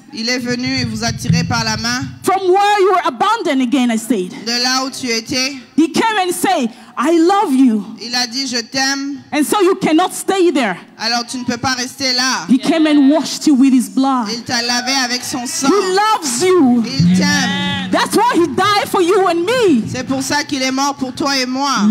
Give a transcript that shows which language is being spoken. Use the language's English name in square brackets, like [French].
[French] Il est venu et vous a tiré par la main. [English] From where you were abandoned again, I stayed. [French] De là où tu étais. [English] He came and said, I love you. [French] Il a dit, je t'aime. [English] And so you cannot stay there. [French] Alors tu ne peux pas rester là. [English] He came and washed you with his blood. [French] Il t'a lavé avec son sang. [English] He loves you. [French] Il t'aime. [English] That's why he died for you and me. [French] C'est pour ça qu'il est mort pour toi et moi.